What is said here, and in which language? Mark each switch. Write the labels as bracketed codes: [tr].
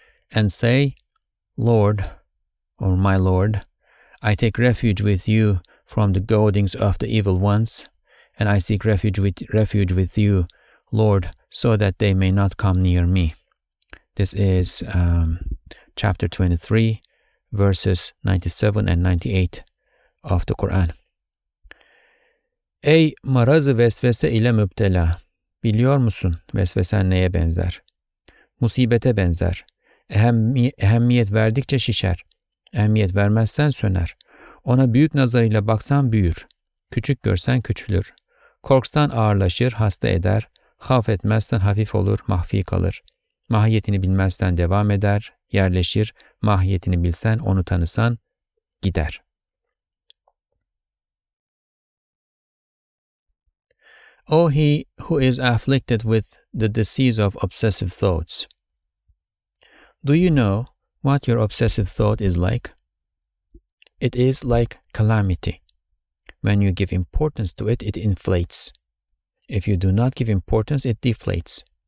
[en] And say, Lord, or my Lord, I take refuge with you from the goadings of the evil ones, and I seek refuge with you, Lord, so that they may not come near me. This is chapter 23, verses 97 and 98 of the Quran. [tr] Ey marazı vesvese ile müptela, biliyor musun vesvesen neye benzer? Musibete benzer. Ehemmiyet verdikçe şişer. Ehemmiyet vermezsen söner. Ona büyük nazarıyla baksan büyür, küçük görsen küçülür. Korksan ağırlaşır, hasta eder, havf etmezsen hafif olur, mahfi kalır. Mahiyetini bilmezsen devam eder, yerleşir, mahiyetini bilsen, onu tanısan gider. [en] O he who is afflicted with the disease of obsessive thoughts. Do you know what your obsessive thought is like? It is like calamity. When you give importance to it, it inflates. If you do not give importance, it deflates.